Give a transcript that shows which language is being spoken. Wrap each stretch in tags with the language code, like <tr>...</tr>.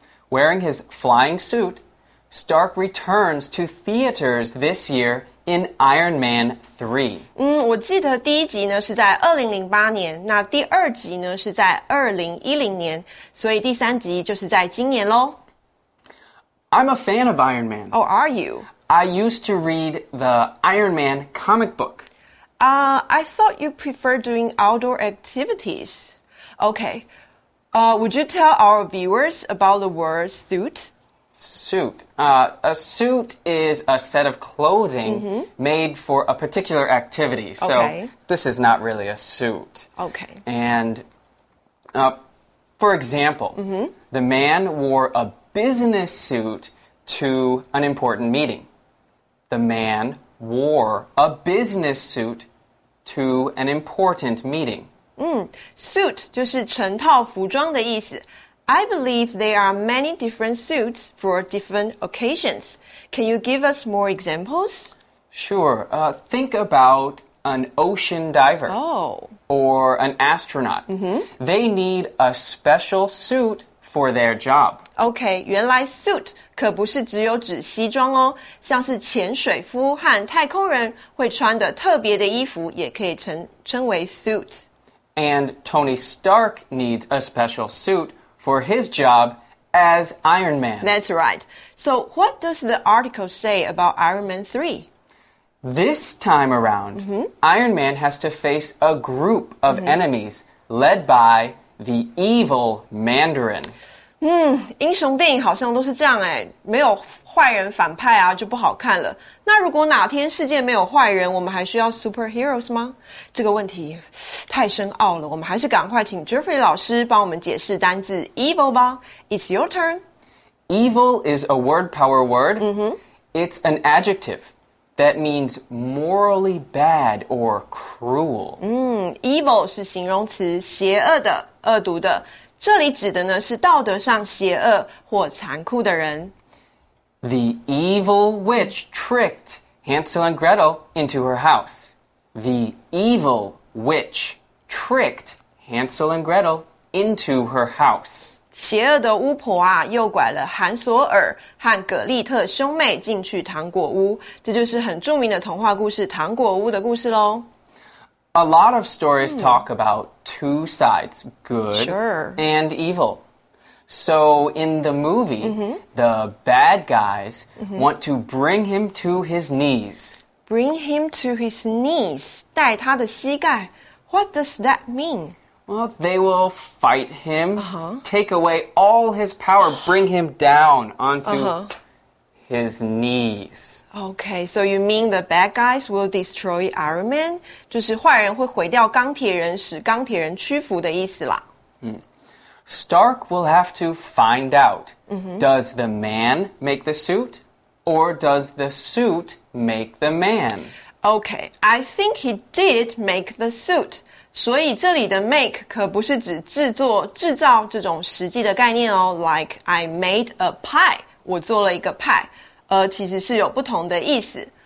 <en>Wearing his flying suit, Stark returns to theaters this year in Iron Man 3.</en> <zh>我记得第一集呢是在2008年，那第二集呢是在2010年，所以第三集就是在今年咯。</zh> <en>I'm a fan of Iron Man. Oh, are you? I used to read the Iron Man comic book. I thought you prefer doing outdoor activities. Okay. Would you tell our viewers about the word suit? Suit. A suit is a set of clothing made for a particular activity. So this is not really a suit. Okay. And, for example, the man wore a business suit to an important meeting. The man wore a business suit to an important meeting.</en> <zh>Suit 就是成套服装的意思。</zh> <en>I believe there are many different suits for different occasions. Can you give us more examples? Sure. Think about an ocean diver. Oh. Or an astronaut. They need a special suit for their job.</en> <zh>Okay, 原来 suit 可不是只有指西装哦。像是潜水夫和太空人会穿的特别的衣服也可以称为 suit。</zh> <en>And Tony Stark needs a special suit for his job as Iron Man. That's right. So what does the article say about Iron Man 3? This time around, Iron Man has to face a group of enemies led by the evil Mandarin.</en> <zh>英雄电影好像都是这样哎，没有坏人反派啊，就不好看了。那如果哪天世界没有坏人，我们还需要 superheroes 吗？这个问题太深奥了，我们还是赶快请 Jeffrey 老师帮我们解释单字 evil 吧。</zh> <en>It's your turn. Evil is a word power word. It's an adjective that means morally bad or cruel.</en> <zh>Evil 是形容词，邪恶的、恶毒的。这里指的呢是道德上邪恶或残酷的人。</zh> <en>The evil witch tricked Hansel and Gretel into her house. The evil witch tricked Hansel and Gretel into her house.</en> <zh>邪恶的巫婆啊，诱拐了韩索尔和葛丽特兄妹进去糖果屋。这就是很著名的童话故事《糖果屋》的故事咯。</zh> <en>A lot of stories talk about two sides, good and evil. So in the movie, the bad guys want to bring him to his knees. Bring him to his knees,</en> <zh>带他的膝盖.</zh> <en>What does that mean? Well, they will fight him, take away all his power, bring him down onto his knees. Okay, so you mean the bad guys will destroy Iron Man?</en> <zh>就是坏人会毁掉钢铁人，使钢铁人屈服的意思啦。</zh> <en>Stark will have to find out, does the man make the suit, or does the suit make the man? Okay, I think he did make the suit.</en> <zh>所以这里的 make 可不是指制作、制造这种实际的概念哦。</zh> <en>Like, I made a pie.</en> <zh>我做了一个派，其实是有不同的意思。</zh>